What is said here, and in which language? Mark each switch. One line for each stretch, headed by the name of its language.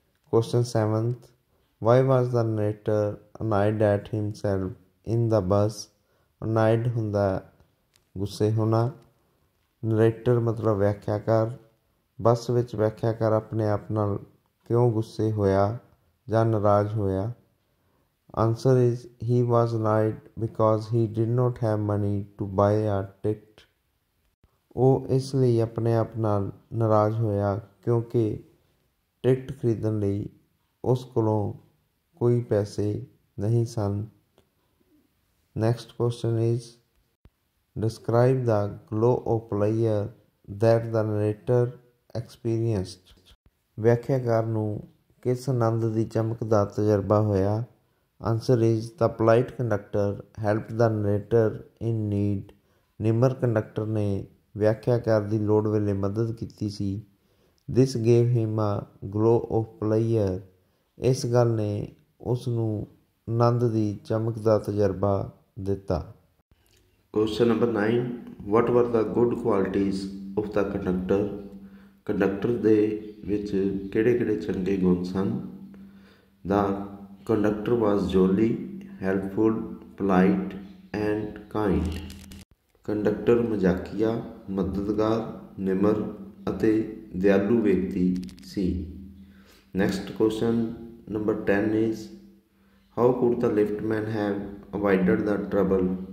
English: Question seventh, why was the narrator annoyed at himself in the bus?
Punjabi: ਅਨਾਈਡ ਹੁੰਦਾ ਗੁੱਸੇ ਹੋਣਾ. ਨਰੇਟਰ ਮਤਲਬ ਵਿਆਖਿਆਕਾਰ. ਬੱਸ ਵਿੱਚ ਵਿਆਖਿਆਕਾਰ ਆਪਣੇ ਆਪ ਨਾਲ ਕਿਉਂ ਗੁੱਸੇ ਹੋਇਆ ਜਾਂ ਨਾਰਾਜ਼ ਹੋਇਆ?
English: Answer is, he was annoyed because he did not have money to buy a ticket.
Punjabi: ਉਹ ਇਸ ਲਈ ਆਪਣੇ ਆਪ ਨਾਲ ਨਾਰਾਜ਼ ਹੋਇਆ ਕਿਉਂਕਿ ਟਿਕਟ ਖਰੀਦਣ ਲਈ ਉਸ ਕੋਲੋਂ ਕੋਈ ਪੈਸੇ ਨਹੀਂ ਸਨ.
English: Next question is, describe the glow of pleasure that the narrator experienced.
Punjabi: ਵਿਆਖਿਆਕਾਰ ਨੂੰ ਕਿਸ ਆਨੰਦ ਦੀ ਚਮਕ ਦਾ ਤਜਰਬਾ ਹੋਇਆ?
English: Answer is, the polite conductor helped the narrator in need.
Punjabi: ਨਿਮਰ ਕੰਡਕਟਰ ਨੇ ਵਿਆਖਿਆਕਾਰ ਦੀ ਲੋੜ ਵੇਲੇ ਮਦਦ ਕੀਤੀ ਸੀ.
English: This gave him a glow of pleasure.
Punjabi: ਇਸ ਗੱਲ ਨੇ ਉਸ ਨੂੰ ਆਨੰਦ ਦੀ ਚਮਕ ਦਾ ਤਜਰਬਾ ਦਿੱਤਾ.
English: Question number 9, what were the good qualities of the conductor?
Punjabi: Conductor ਦੇ ਵਿੱਚ ਕਿਹੜੇ ਕਿਹੜੇ ਚੰਗੇ ਗੁਣ ਸਨ?
English: The conductor was jolly, helpful, polite, and kind.
Punjabi: Conductor mazakiya, madadgar, nimar ate dayalu vyakti si.
English: Next question number 10 is, how could the liftman have avoided the trouble?